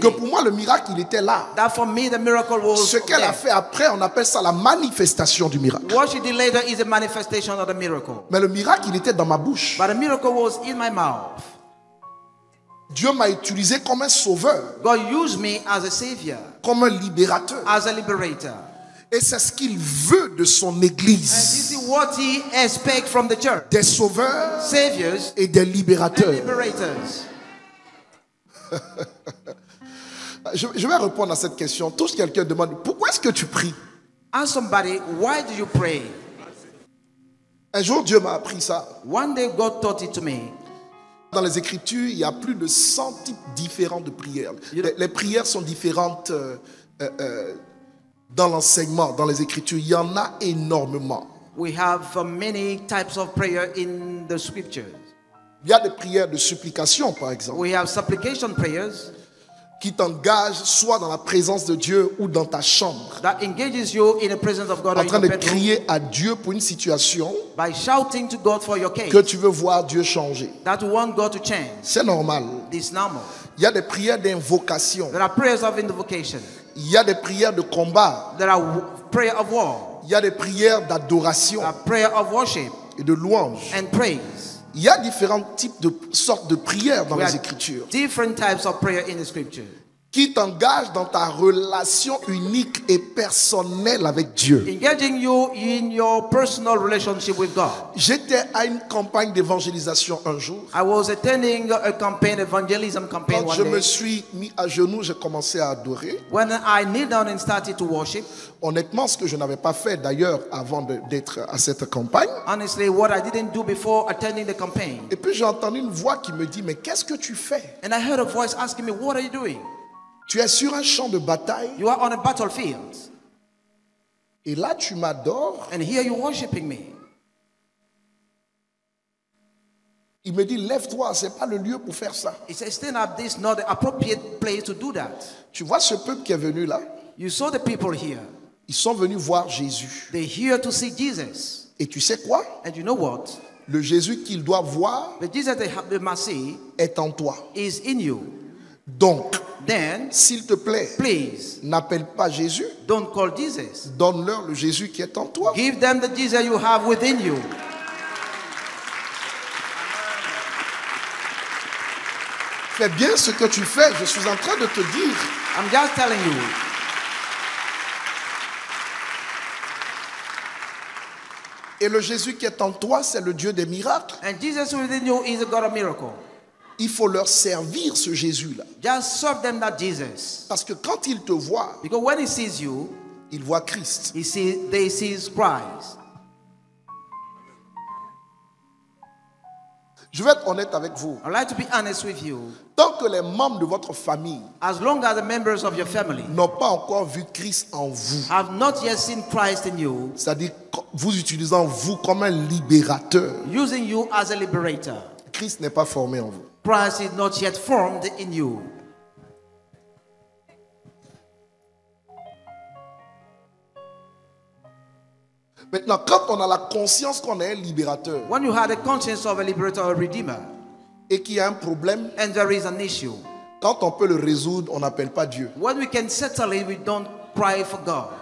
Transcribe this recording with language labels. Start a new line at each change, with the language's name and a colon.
French: que pour moi le miracle il était là.
English: That for me, the miracle was
French: ce qu'elle
English: there.
French: A fait après, on appelle ça la manifestation du miracle.
English: What she did later is a manifestation of the miracle.
French: Mais le miracle il était dans ma bouche.
English: But the miracle was in my mouth.
French: Dieu m'a utilisé comme un sauveur.
English: God used me as a savior.
French: Comme un libérateur.
English: As a liberator.
French: Et c'est ce qu'il veut de son église.
English: And this is what he expects from the church.
French: Des sauveurs.
English: Saviors.
French: Et des libérateurs.
English: And liberators.
French: Je vais répondre à cette question. Tout ce que quelqu'un demande, pourquoi est-ce que tu pries?
English: Ask somebody, why do you pray?
French: Un jour, Dieu m'a appris ça.
English: One day, God taught it to me.
French: Dans les Écritures, il y a plus de 100 types différents de prières. Les prières sont différentes dans l'enseignement, dans les Écritures. Il y en a énormément.
English: We have many types of prayer in the Scriptures.
French: Il y a des prières de supplication, par exemple.
English: We have supplication prayers.
French: Qui t'engage soit dans la présence de Dieu ou dans ta chambre.
English: That engages you in the presence of God.
French: En train de crier à Dieu pour une situation.
English: By shouting to God for your case.
French: Que tu veux voir Dieu changer.
English: That you want God to change.
French: C'est normal.
English: It's normal.
French: Il y a des prières d'invocation.
English: There are prayers of invocation.
French: Il y a des prières de combat.
English: There are prayer of war.
French: Il y a des prières d'adoration.
English: There are prayer of worship.
French: Et de louange.
English: And praise.
French: Il y a différents types de sortes de prières dans les Écritures.
English: Different types of prayer in the scripture.
French: Qui t'engage dans ta relation unique et personnelle avec Dieu.
English: Engaging you in your personal relationship with God.
French: J'étais à une campagne d'évangélisation un jour.
English: I was attending a campaign, evangelism campaign.
French: Quand
English: one
French: je
English: day,
French: me suis mis à genoux, j'ai commencé à adorer.
English: When I kneeled down and started to worship.
French: Honnêtement, ce que je n'avais pas fait d'ailleurs avant d'être à cette campagne.
English: Honestly, what I didn't do before attending the campaign.
French: Et puis j'ai entendu une voix qui me dit, mais qu'est-ce que tu fais?
English: And I heard a voice asking me, what are you doing?
French: Tu es sur un champ de bataille.
English: You are on a battlefield.
French: Et là, tu m'adores.
English: And here you're worshiping me.
French: Il me dit, lève-toi, ce n'est pas le lieu pour faire ça.
English: He says, stand up, this is not the appropriate place to do that.
French: Tu vois ce peuple qui est venu là?
English: You saw the people here.
French: Ils sont venus voir Jésus.
English: They're here to see Jesus.
French: Et tu sais quoi?
English: And you know what?
French: Le Jésus qu'ils doivent voir,
English: the Jesus they have, they must see,
French: est en toi.
English: Is in you.
French: Donc,
English: then,
French: s'il te plaît,
English: please,
French: n'appelle pas Jésus.
English: Don't call Jesus.
French: Donne-leur le Jésus qui est en toi.
English: Give them the Jesus you have within you.
French: Fais bien ce que tu fais. Je suis en train de te dire.
English: I'm just telling you.
French: Et le Jésus qui est en toi, c'est le Dieu des miracles.
English: And Jesus within you is the God of miracles.
French: Il faut leur servir ce Jésus-là.
English: Just serve them that Jesus.
French: Parce que quand il te voit,
English: because when he sees you,
French: il voit Christ.
English: He sees, they see Christ.
French: Je vais être honnête avec vous.
English: I'd like to be honest with you.
French: Tant que les membres de votre famille,
English: as long as the members of your family,
French: n'ont pas encore vu Christ en vous,
English: have not yet seen Christ in you,
French: c'est-à-dire vous utilisant vous comme un libérateur,
English: using you as a liberator,
French: Christ n'est pas formé en vous.
English: Christ is not yet formed in you.
French: Maintenant, quand on a la conscience qu'on est un libérateur,
English: when you have the conscience of a liberator or a redeemer,
French: et qu'il y a un problème,
English: and there is an issue,
French: quand on peut le résoudre, on n'appelle pas Dieu.
English: When we can settle it, we don't cry for God.